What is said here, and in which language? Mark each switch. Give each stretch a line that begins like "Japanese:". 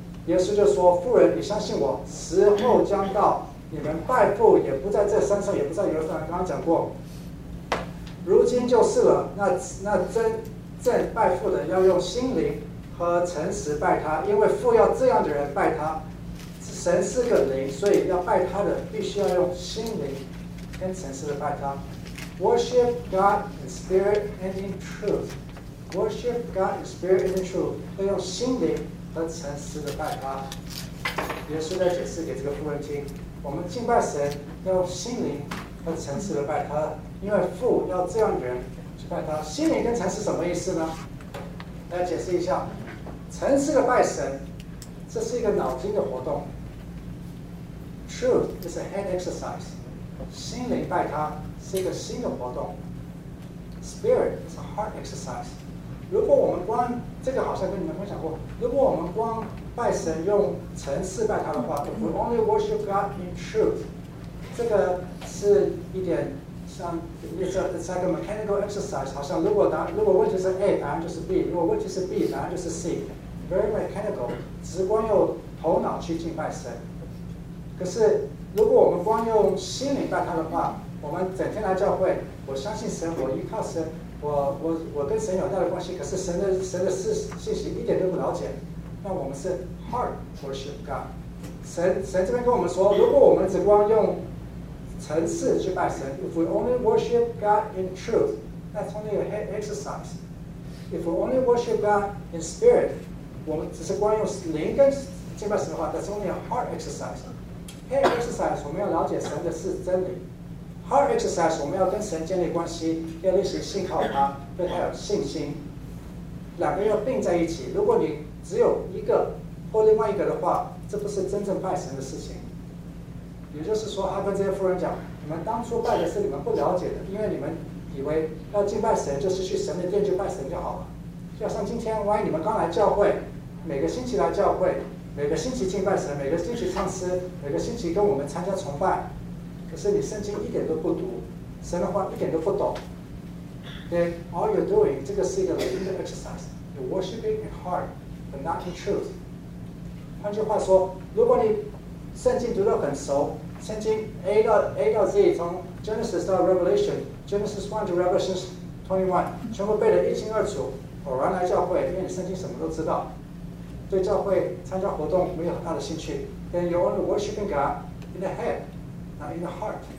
Chinese: 耶稣就说，妇人，你相信我，时候将到，你们拜父也不在这山上，也不在耶路撒冷。刚刚讲过，如今就是了，那真正拜父的要用心灵和诚实拜他，因为父要这样的人拜他。神是个灵，所以要拜他的必须要用心灵跟诚实的拜他。
English: Worship God in spirit and in truth， Worship God in spirit and in truth，
Chinese: 要用心灵和诚实的拜他。耶稣在解释给这个妇人听，我们敬拜神要用心灵和诚实的拜他，因为父要这样的人去拜他。心灵跟诚实什么意思呢？来解释一下，诚实的拜神，这是一个脑筋的活动。
English: Truth is a head exercise，
Chinese: 心灵拜他是一个心的活动。
English: Spirit is a heart exercise。
Chinese: 如果我们光这个好像跟你们分享过，如果我们光拜神用程式拜他的话 ，
English: We only worship God in truth，
Chinese: 这个是一点像
English: it's like a mechanical exercise，
Chinese: 好像如果问题是 A， 答案就是 B； 如果问题是 B， 答案就是 C，
English: very mechanical，
Chinese: 只光用头脑去敬拜神。可是如果我们光用心灵拜他的话，我们整天来教会，我相信神，我依靠神。我跟神有大的关系，可是神的信息一点都不了解。那我们是
English: heart worship God。
Chinese: 神这边跟我们说，如果我们只光用程式去拜神 ，
English: if we only worship God in truth, that's only an exercise. If we only worship God in spirit,
Chinese: 我们只是光用灵跟敬拜神的话
English: ，that's only a heart exercise. Head exercise
Chinese: 我们要了解神的是真理。
English: Heart exercise
Chinese: 我们要跟神建立关系，要练习信靠他，对他有信心。两个要并在一起。如果你只有一个或另外一个的话，这不是真正拜神的事情。也就是说，他跟这些妇人讲，你们当初拜的是你们不了解的，因为你们以为要敬拜神就是去神的殿去拜神就好了。就像今天，万一你们刚来教会，每个星期来教会，每个星期敬拜神，每个星期唱诗，每个星期跟我们参加崇拜，可是你圣经一点都不读，神的话一点都不懂。
English: Then all you're doing,
Chinese: 这个是一个灵的
English: exercise. You're worshiping in heart, but not in truth.
Chinese: 换句话说，如果你圣经读得很熟，圣经 A 到 Z， 从 Genesis 到 Revelation， Genesis 1 to Revelation 21， 全部背得一清二楚，偶然来教会，因为你圣经什么都知道，对教会参加活动没有很大的兴趣，
English: then you're only worshiping God in the head, not in the heart.